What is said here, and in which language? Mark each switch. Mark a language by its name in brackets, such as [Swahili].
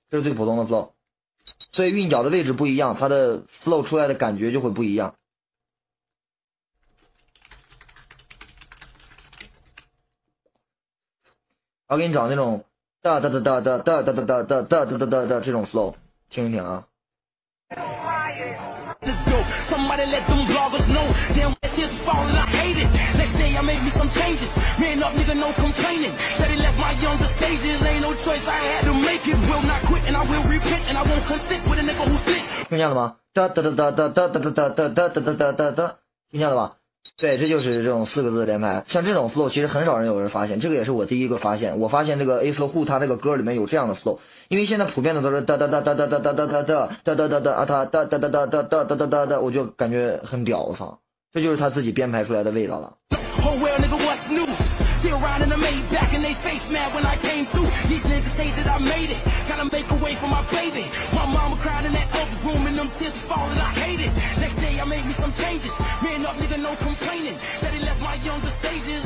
[Chinese] 这是最普通的 flow， 所以韵脚的位置不一样，他的 flow 出来的感觉就会不一样。我给你找那种哒哒哒哒哒哒哒哒哒哒哒哒哒哒哒这种 flow， 听一听啊。 [English] Somebody let them bloggers know. Damn, this is falling, I hate it. Next day I made me some changes. Man up, nigga, no complaining. Daddy left my younger stages. Ain't no choice, I had to make it. Will not quit and I will repent. And I won't consent with a nigga who snitch. [Chinese] 听见了吗？哒哒哒哒哒哒哒哒哒哒哒哒哒哒哒哒。听见了吧？对，这就是这种四个字的连拍。像这种 flow 其实很少人有人发现，这个也是我第一个发现。我发现这个 Ace Hu 他这个歌里面有这样的 flow， 因为现在普遍的都是哒哒哒哒哒哒哒哒哒哒哒哒哒哒哒哒哒哒哒哒哒哒哒哒哒哒，我就感觉很屌，我操，这就是他自己编排出来的味道了。 [English] Oh well, nigga, what's new? Still riding the Maybach and they face mad when I came through. These niggas say that I made it. Gotta make a way for my baby. My mama cried in that other room and them tears falling. I hate it. Next day I made me some changes. Man up, nigga, no complaining. Daddy left my younger stages.